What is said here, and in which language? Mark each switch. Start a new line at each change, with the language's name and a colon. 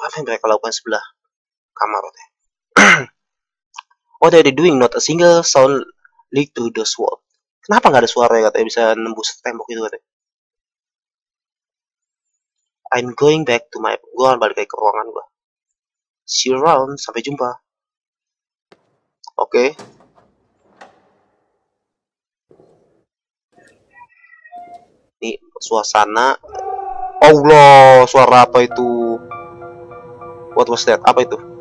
Indonesian: Apa yang mereka lakukan sebelah kamar?
English: What are they doing? Not a single sound leak to the wall.
Indonesian: Kenapa gak ada suara ya katanya bisa nembus tembok itu katanya.
English: I'm going back to my...
Indonesian: Gue akan balik ke ruangan gue.
English: See you around.
Indonesian: Sampai jumpa. Oke. Okay. Ini suasana. Allah, suara apa itu?
English: What was that?
Indonesian: Apa itu?